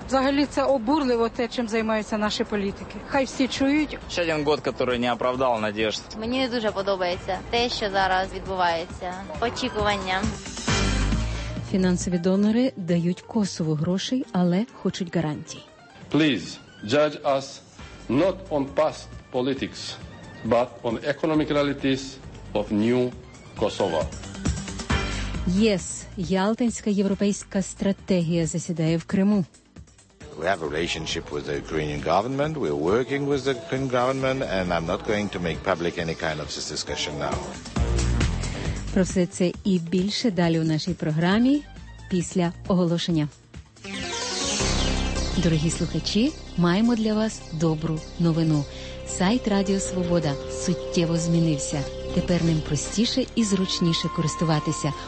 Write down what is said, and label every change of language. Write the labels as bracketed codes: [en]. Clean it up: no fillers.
[uk] Взагалі це обурливо те, чим займаються наші політики. Хай всі чують. Ще один год, який не оправдав надіжд. Мені дуже подобається те, що зараз відбувається. Очікування. Фінансові донори дають Косову грошей, але хочуть гарантій. [en] Please judge us not on past politics, but on economic realities of new Kosovo. [uk] ЄС, Ялтинська європейська стратегія, засідає в Криму. [en] we have a relationship with the Ukrainian government. We're working with the Ukrainian government, and I'm not going to make public any kind of this discussion now. [uk] Про все це і більше далі у нашій програмі після оголошення. Дорогі слухачі, маємо для вас добру новину. Сайт Радіо Свобода суттєво змінився. Тепер ним простіше і зручніше користуватися.